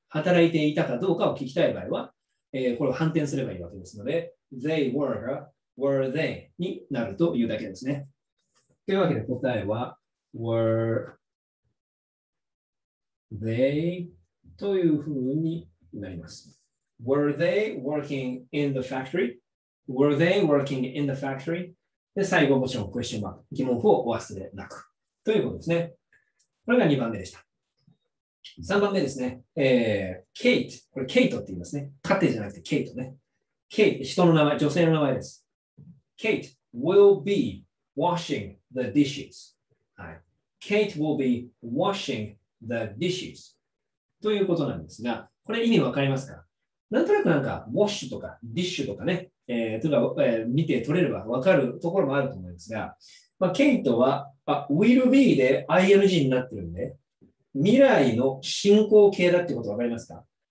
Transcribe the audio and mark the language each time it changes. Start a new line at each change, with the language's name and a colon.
Japanese: 働いていたかどうかを聞きたい場合は、これを反転すればいいわけですので、they were they になるというだけですね。というわけで答えは、were they というふうになります。
English: were they working in the factory? were they working in the factory?
Japanese: で、最後もちろんクエスチョンマーク、疑問符をお忘れなくということですね。これが2番目でした。3番目ですね。ケイト。これ、ケイトって言いますね。カテじゃなくて、ケイトね。ケイ、人の名前、女性の名前です。
English: ケイト will be washing the dishes。
Japanese: はい。
English: ケイト will be washing the dishes。
Japanese: ということなんですが、これ意味わかりますか？なんとなくなんか、ウォッシュとか、ディッシュとかね。例えば、見て取れればわかるところもあると思いますが、まあ、ケイトは、will be で ing になってるんで、未来の進行形だってことわかりますか？